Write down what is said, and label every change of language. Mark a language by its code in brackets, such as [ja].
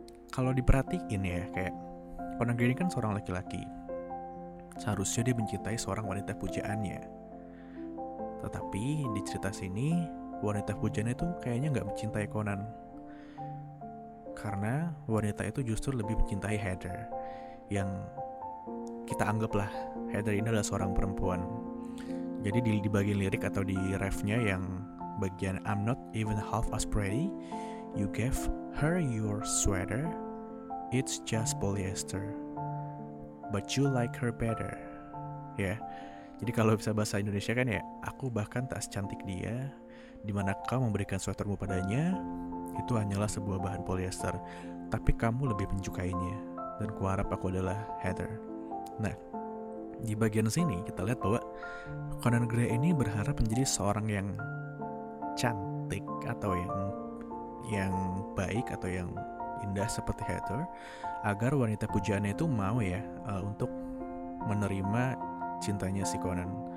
[id] Kalau diperhatiin ya, kayak Conan Gray ini kan seorang laki-laki, seharusnya dia mencintai seorang wanita pujaannya. Tetapi di cerita sini, wanita pujaannya itu kayaknya gak mencintai Conan, karena wanita itu justru lebih mencintai Heather, yang kita anggaplah Heather ini adalah seorang perempuan. Jadi di bagian lirik atau di refnya yang bagian [en] I'm not even half as pretty, you gave her your sweater, it's just polyester, but you like her better. Ya, yeah. [id] Jadi kalau bisa bahasa Indonesia kan ya, aku bahkan tak secantik dia, dimana kau memberikan sweatermu padanya, itu hanyalah sebuah bahan polyester, tapi kamu lebih menyukainya, dan kuharap aku adalah Heather. Nah, di bagian sini kita lihat bahwa Conan Gray ini berharap menjadi seorang yang cantik atau yang baik atau yang indah seperti Heather, agar wanita pujaannya itu mau ya untuk menerima cintanya si Conan.